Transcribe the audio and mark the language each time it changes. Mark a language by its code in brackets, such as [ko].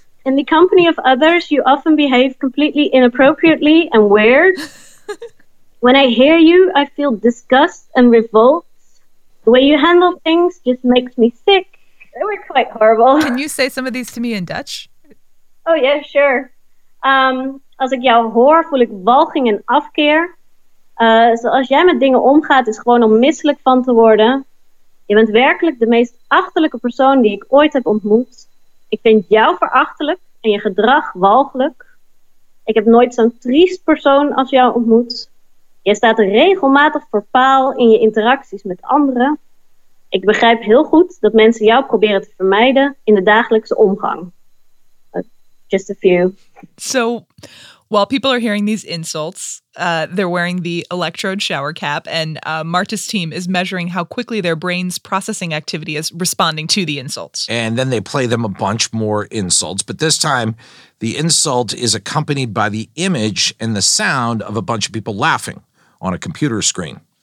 [en] In the company of others, you often behave completely inappropriately and weird. When I hear you, I feel disgust and revolt. The way you handle things just makes me sick. They were quite horrible. Can you say some of these to me in Dutch? Oh, yeah, sure. [nl] Als ik jou hoor, voel ik walging en afkeer. Zoals jij met dingen omgaat, is gewoon om misselijk van te worden. Je bent werkelijk de meest achterlijke persoon die ik ooit heb ontmoet. Ik vind jou verachtelijk en je gedrag walgelijk. Ik heb nooit zo'n triest persoon als jou ontmoet. Je staat regelmatig voor paal in je interacties met anderen. Ik begrijp heel goed dat mensen jou proberen te vermijden in de dagelijkse omgang. [en] Just a few. So, while people are hearing these insults, they're wearing the electrode shower cap, and Marta's team is measuring how quickly their brain's processing activity is responding to the insults. And then they play them a bunch more insults, but this time the insult is accompanied by the image and the sound of a bunch of people laughing on a computer screen.